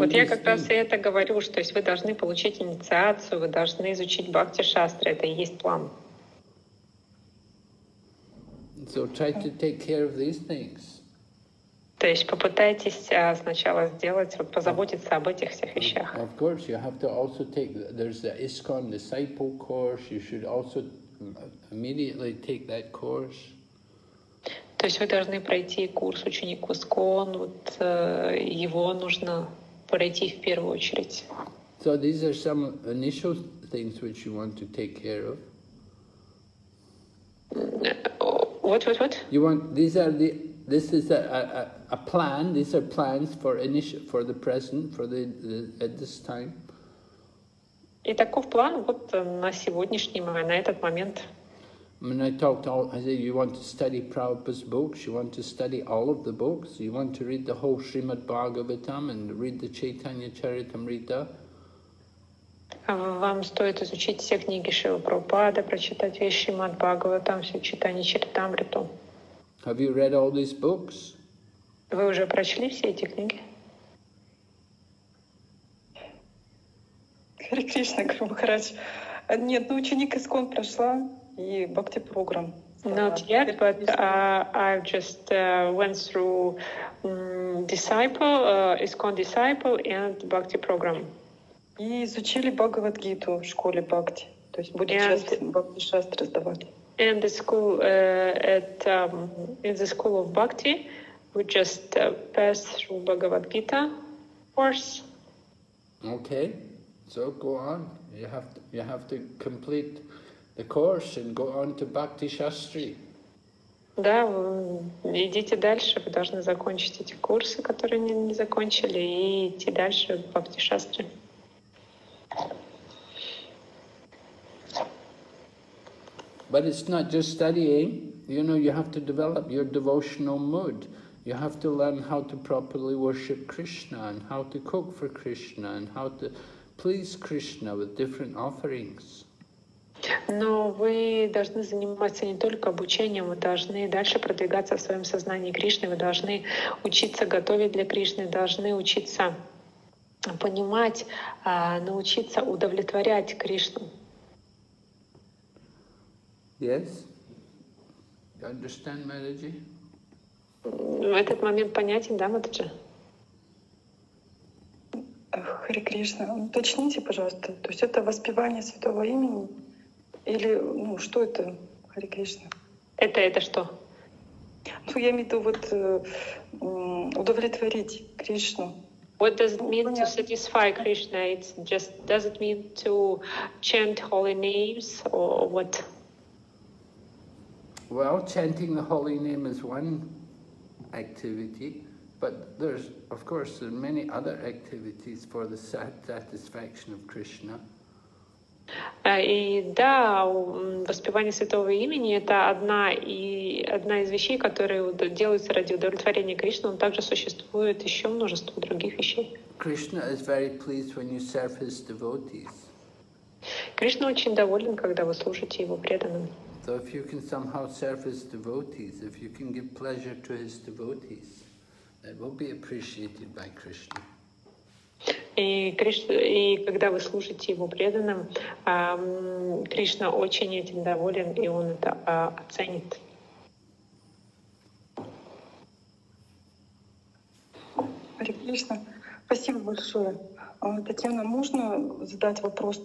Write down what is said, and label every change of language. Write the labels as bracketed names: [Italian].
[English] this. [Russian] Вот я как раз и это говорю, что то есть вы должны получить инициацию, вы должны изучить Бхакти Шастри. Это и есть план. [English] So try to take care of these things. [Russian] То есть попытайтесь сначала позаботиться об этих всех вещах. [English] Of course, you have to also take, there's the ISKCON disciple course, you should also immediately take that course. [Russian] То есть вы должны пройти курс ученик ISKCON, его нужно пройти в первую очередь. [English] So these are some initial things which you want to take care of. What? You want, this is a plan, these are plans for the present, at this time. [Russian] И таков план вот на сегодняшний момент, на этот момент. [English] When I talked all, I said you want to study Prabhupada's books, you want to study all of the books, you want to read the whole Srimad Bhagavatam and read the Chaitanya Charitamrita. [Russian] Вам стоит изучить все книги Шрилы Прабхупады, прочитать весь Шримад Бхагаватам, все Чайтанья Чаритамриту. [English] Have you read all these books? [Russian] Вы уже прочли все эти книги? Кришна Гуру Махарадж. Нет, ученик ISKCON прошла и Бхакти Програм. [English] Not yet, but I've just went through ISKCON Disciple and Bhakti Program. [Russian] И изучили Бхагавад-гиту в школе Бхакти, то есть будет сейчас Бхакти-шастры раздавать. [English] And the school in the school of Bhakti, we just passed through Bhagavad-gita course. Okay, so go on. You have to complete the course and go on to Bhakti-shastri. [Russian] Да, идите дальше. Вы должны закончить эти курсы, которые не закончили, и идти дальше в Бхакти-шастри. [English] But it's not just studying, you know, you have to develop your devotional mood. You have to learn how to properly worship Krishna and how to cook for Krishna and how to please Krishna with different offerings. [Russian] Но вы должны заниматься не только обучением, вы должны дальше продвигаться в своем сознании Кришны, вы должны учиться готовить для Кришны, должны учиться понимать, научиться удовлетворять Кришну. [English] Yes? You understand, Mataji? [Russian] Этот момент понятен, да, Матаджи? Хари Кришна, уточните, пожалуйста, то есть это воспевание святого имени? Или, что это, Хари Кришна? Это что? Я имею в виду удовлетворить Кришну. [English] What does it mean to satisfy Krishna? It's just, does it mean to chant holy names or what? Well, chanting the holy name is one activity, but there's, of course, there are many other activities for the satisfaction of Krishna. [Russian] И да, воспевание святого имени — это одна из вещей, которые делаются ради удовлетворения Кришны, но также существует еще множество других вещей. [English] Krishna is very pleased when you serve his devotees. [Russian] Кришна очень доволен, когда вы служите его преданным. [English] So if you can somehow serve his devotees, if you can give pleasure to his devotees, that will be appreciated by Krishna. [Russian] И когда вы служите его преданным, Кришна очень этим доволен, и он это оценит. Хари Кришна, спасибо большое. Татьяна, можно задать вопрос?